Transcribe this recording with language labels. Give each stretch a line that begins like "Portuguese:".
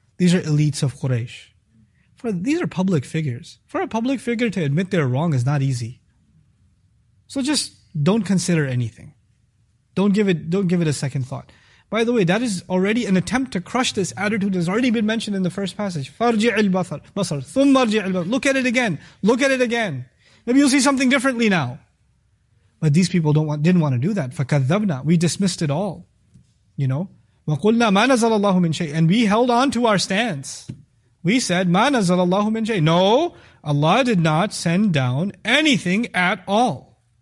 English: These are elites of Quraysh. These are public figures. For a public figure to admit they're wrong is not easy. So just don't consider anything. Don't give it a second thought. By the way, that is already an attempt to crush this attitude has already been mentioned in the first passage.
Arabic: فَارْجِعِ الْبَصَرِ ثُمَّ ارْجِعِ الْبَصَرِ
English: Look at it again. Maybe you'll see something differently now. But these people didn't want to do that. فَكَذَّبْنَا We dismissed it all. You know?
Arabic: وَقُلْنَا مَا نَزَلَ اللَّهُ مِنْ شَيْءٍ
English: And we held on to our stance. We said,
Arabic: مَا نَزَلَ اللَّهُ مِنْ شَيْءٍ
English: No, Allah did not send down anything at all.